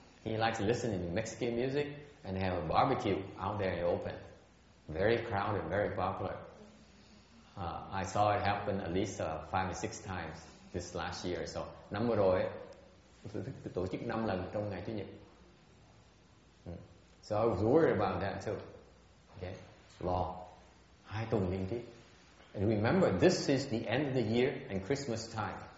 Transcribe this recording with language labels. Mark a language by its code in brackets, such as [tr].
[en] He likes listening to Mexican music and have a barbecue out there open, very crowded, very popular. I saw it happen at least 5 or 6 times this last year. [vi] So năm vừa rồi tổ chức 5 lần trong ngày chủ nhật. [en] So I was worried about that too. Okay, long, [vi] 2 tuần liên tiếp. [en] And remember, this is the end of the year and Christmas time.